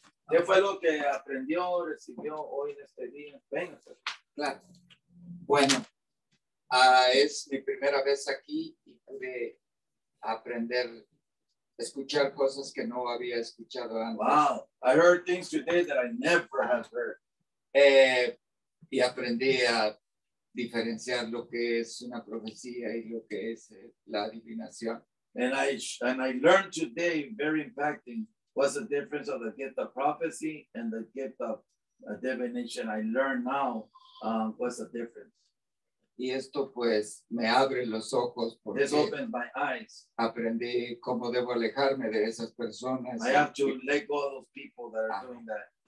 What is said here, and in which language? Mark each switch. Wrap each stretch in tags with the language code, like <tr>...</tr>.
<es>¿Qué fue lo que aprendió, recibió hoy en este día? Venga, claro. Bueno. Es mi primera vez aquí y pude aprender, escuchar cosas que no había escuchado antes.</es> <en>Wow, I heard things today that I never have heard.</en> <es>Y aprendí a diferenciar lo que es una profecía y lo que es la adivinación.</es> <en>And I learned today, very impacting, what's the difference of the gift of prophecy and the gift of divination. I learned now what's the difference.</en> <es>Y esto pues me abre los ojos porque</es> <en>this opened my eyes.</en> <es>Aprendí cómo debo alejarme de esas personas.</es> <en>I have to let go of those people that are doing that.</en>